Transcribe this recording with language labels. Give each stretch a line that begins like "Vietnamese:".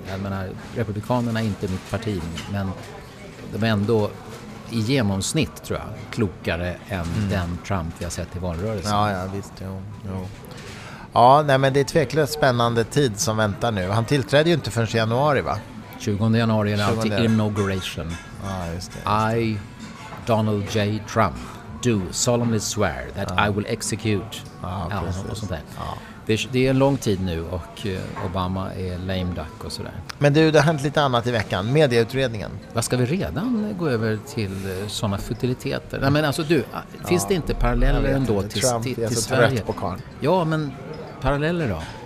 Swedish: Jag menar, republikanerna är inte mitt parti, men de är ändå i genomsnitt, tror jag, klokare än den Trump vi har sett i valrörelsen. Ja, visst. Jo. Ja, nej, men det är tveklöst spännande tid som väntar nu. Han tillträdde ju inte förrän januari, va? 20 januari är alltid inauguration. Ja, just det.
English: Donald J. Trump do solemnly swear that I will execute.
Swedish: Ja, precis. Och sånt där. Ja. Det är en lång tid nu och Obama är lame duck och sådär. Men du, det har hänt lite annat i veckan. Medieutredningen. Vad ska vi redan gå över till sådana futiliteter? Nej, men alltså du, finns det inte paralleller ändå inte. Till Trump är till så trött på karen. Ja, men paralleller då?